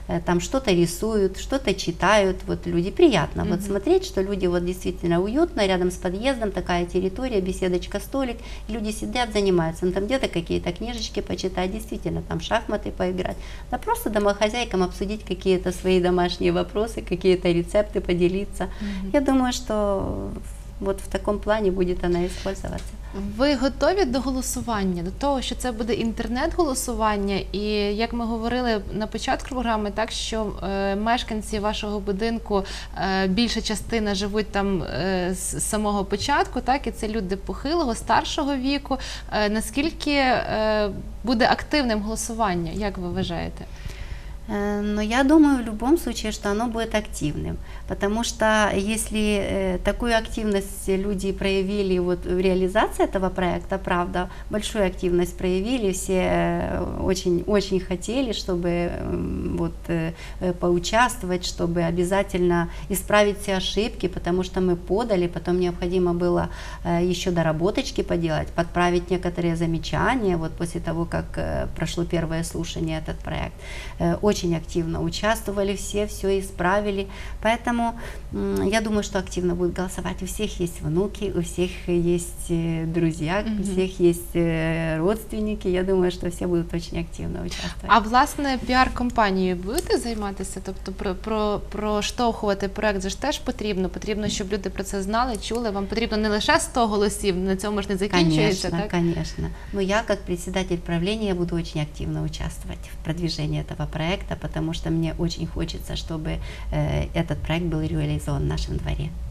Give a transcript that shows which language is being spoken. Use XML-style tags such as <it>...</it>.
<ru>там что-то рисуют, что-то читают, вот люди, приятно вот смотреть, что люди вот действительно уютно, рядом с подъездом такая территория, беседочка, столик, люди сидят, занимаются, ну, там где-то какие-то книжечки почитать, действительно, там шахматы поиграть, да просто домохозяйкам обсудить какие-то свои домашние вопросы, какие-то рецепты поделиться. Я думаю, что вот в таком плане будет она использоваться.</ru> <uk>Ви готові до голосування, до того, що це буде інтернет-голосування, і як ми говорили на початку програми, так що мешканці вашого будинку, більша частина живуть там з самого початку, так, і це люди похилого, старшого віку. Наскільки буде активним голосування, як ви вважаєте?</uk> <ru>Но я думаю, в любом случае, что оно будет активным, потому что если такую активность люди проявили вот в реализации этого проекта, правда, большую активность проявили, все очень-очень хотели, чтобы вот поучаствовать, чтобы обязательно исправить все ошибки, потому что мы подали, потом необходимо было еще доработочки поделать, подправить некоторые замечания, вот после того, как прошло первое слушание этот проект. Очень активно участвовали все, все исправили, поэтому я думаю, что активно будут голосовать. У всех есть внуки, у всех есть друзья, у всех есть родственники, я думаю, что все будут очень активно участвовать.</ru> <uk>А власне піар-компанією будете займатися? Тобто про штовхувати проект, це ж теж потрібно, потрібно, щоб люди про це знали, чули, вам потрібно не лише 100 голосів, на цьому ж не закінчується,</uk> <ru>конечно,</ru> <uk>так?</uk> <ru>Конечно, конечно. Ну, я, как председатель правления, буду очень активно участвовать в продвижении этого проекта, потому что мне очень хочется, чтобы этот проект был реализован в нашем дворе.</ru>